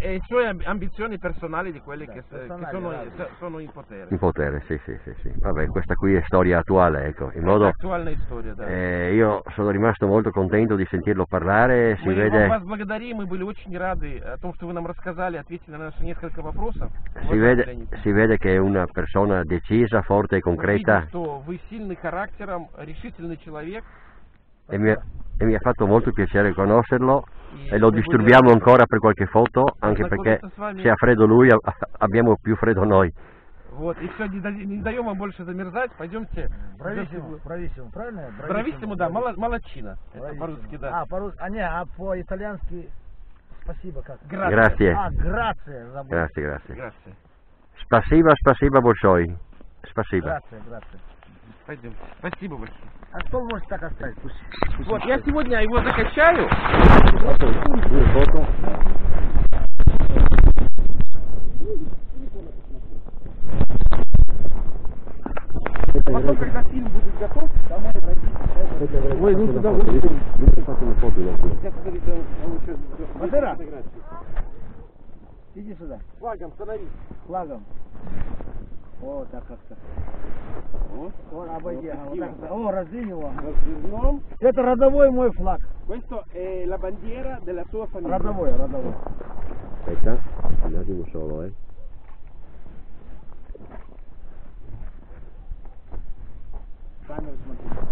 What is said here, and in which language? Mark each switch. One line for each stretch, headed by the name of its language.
Italian: le sue ambizioni personali di quelle che sono in potere. In potere, sì. Vabbè, questa qui è storia attuale, ecco. In modo, è attuale storia, dai. Io sono rimasto molto contento di sentirlo parlare, si
Russian: Мы
Italian: vede...
Russian: Мы вас благодарим, мы были очень рады о том, что вы нам рассказали, ответили на наши несколько вопросов.
Italian: Si vede che è una persona decisa, forte e concreta.
Russian: Что вы сильный характером, решительный человек.
Italian: E mi ha fatto molto piacere conoscerlo e lo disturbiamo ancora per qualche foto, anche perché se ha freddo lui abbiamo più freddo noi.
Russian: Вот, и все, не даем вам больше замерзать, пойдемте. Брависсимо, правильно? Брависсимо, да, молодчина. Это по-русски, да. А, по-русски, а не, а по-итальянски спасибо как? Грация. А, грация, забыл. Грация. Спасибо большое. Спасибо. Грация. Пойдем. Спасибо большое. А что вы можете так оставить? Пусть. Вот, я сегодня его закачаю. Потом, когда фильм будет готов, домой пойдем. Ой, ну туда выйдем. Я тогда сделал еще... Иди сюда. Флагом, становись. Флагом. О, так как-то. Вот, обойди, вот так. О, раздвинь его. Раздвинем. Это родовой мой флаг.
Italian: Questo è la bandiera della tua famiglia.
Russian: Родовой.
Italian: Aspetta, un attimo solo, eh.
Russian: Камеру смотри.